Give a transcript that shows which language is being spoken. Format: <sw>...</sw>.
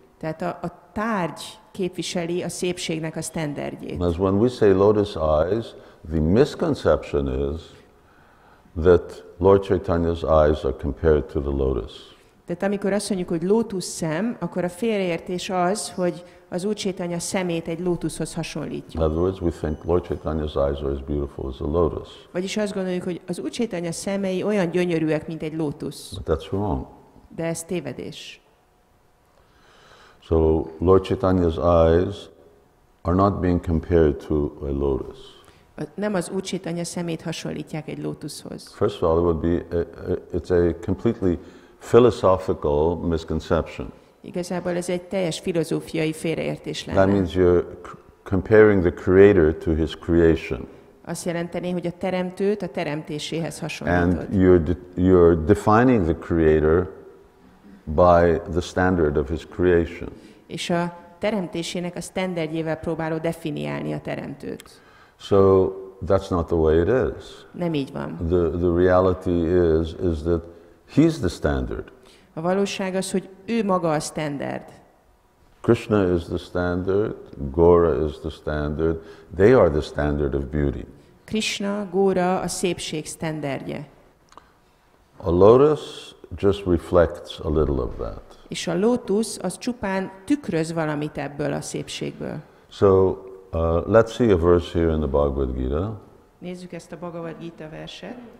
<hu>Tehát a tárgy képviseli a szépségnek a standardjét.</hu> <en>As when we say lotus eyes, the misconception is that Lord Chaitanya's eyes are compared to the lotus.</en> <hu>Tehát amikor azt mondjuk, hogy lótusz szem, akkor a félreértés az, hogy az Úr Chaitanya szemét egy lótuszhoz hasonlítjuk.</hu> <en>In other words, we think Lord Chaitanya's eyes are as beautiful as a lotus.</en> <hu>Vagyis azt gondoljuk, hogy az Úr Chaitanya szemei olyan gyönyörűek, mint egy lótusz.</hu> <en>But that's wrong.</en> <hu>De ez tévedés.</hu> <en>So Lord Chaitanya's eyes are not being compared to a lotus.</en> <hu>Nem az Úr Chaitanya szemét hasonlítják egy lótuszhoz.</hu> <en>First of all, it would be it's a completely philosophical misconception.</en> <hu>Igazából ez egy teljes filozófiai félreértés lenne.</hu> <en>That means you're comparing the creator to his creation.</en> <hu>Azt jelenteni, hogy a teremtőt a teremtéséhez hasonlítod.</hu> <en>And you're defining the creator by the standard of his creation.</en> <hu>És a teremtésének a standardjével próbáló definiálni a teremtőt.</hu> <en>So that's not the way it is.</en> <hu>Nem így van.</hu> <en>The reality is that he's the standard.</en> <hu>A valóság az, hogy ő maga a standard.</hu> <en>Krishna is the standard, Gaura is the standard, they are the standard of beauty.</en> <hu>Krishna, Gaura a szépség standardje.</hu> <en>A lotus just reflects a little of that.</en> <hu>És a lótusz az csupán tükröz valamit ebből a szépségből.</hu> <en>So, let's see a verse here in the Bhagavad Gita.</en> <hu>Nézzük ezt a Bhagavad Gita verset.</hu>